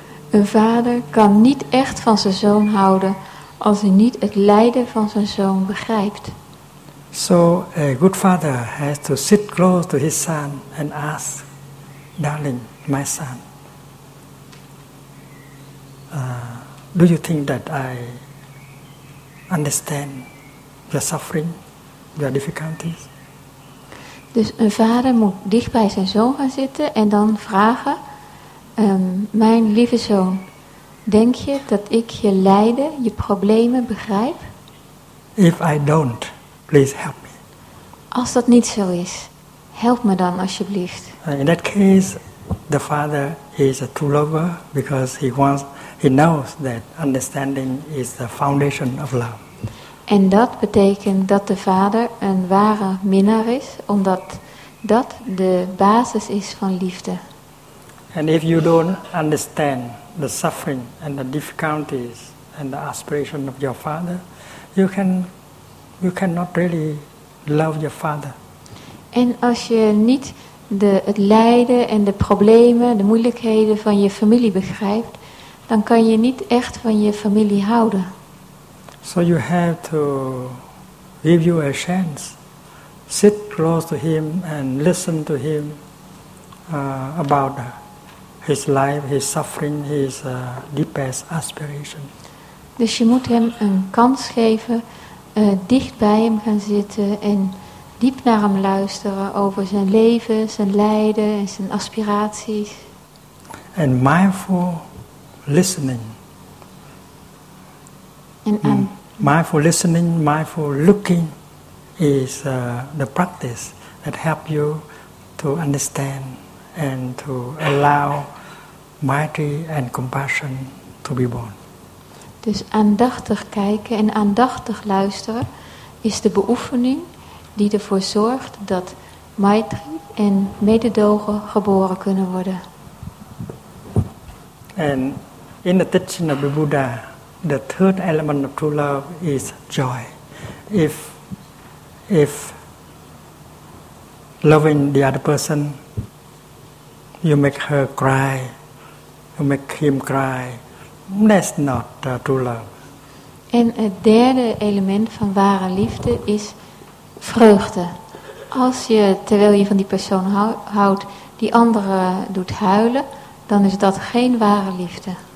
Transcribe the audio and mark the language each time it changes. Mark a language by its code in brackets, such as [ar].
[nl] Een vader kan niet echt van zijn zoon houden als hij niet het lijden van zijn zoon begrijpt. [en] So a good father has to sit close to his son and ask, darling, my son, do you think that I understand your suffering, your difficulties? [nl] Dus een vader moet dicht bij zijn zoon gaan zitten en dan vragen, mijn lieve zoon, denk je dat ik je lijden, je problemen begrijp? [en] If I don't, please help me. [nl] Als dat niet zo is, help me dan alsjeblieft. [en] In that case, the father is a true lover because he knows that understanding is the foundation of love. [nl] En dat betekent dat de vader een ware minnaar is, omdat dat de basis is van liefde. [en] And if you don't understand the suffering and the difficulties and the aspiration of your father, you cannot really love your father. [nl] En als je niet het lijden en de problemen, de moeilijkheden van je familie begrijpt, dan kan je niet echt van je familie houden. [en] So you have to give you a chance. Sit close to him and listen to him about his life, his suffering, his deepest aspiration. [nl] Dus je moet hem een kans geven, dicht bij hem gaan zitten en diep naar hem luisteren over zijn leven, zijn lijden en zijn aspiraties. [en] And mindful listening. Mindful listening, mindful looking is the practice that helps you to understand and to allow mercy and compassion to be born. [nl] Dus aandachtig kijken en aandachtig luisteren is de beoefening die ervoor zorgt dat maitri en mededogen geboren kunnen worden. En in de [en] teaching of the Buddha, the third element of true love is joy. If loving the other person, you make her cry, you make him cry, that's not true love. [nl] En het derde element van ware liefde is vreugde. Als je, terwijl je van die persoon houdt, die andere doet huilen, dan is dat geen ware liefde.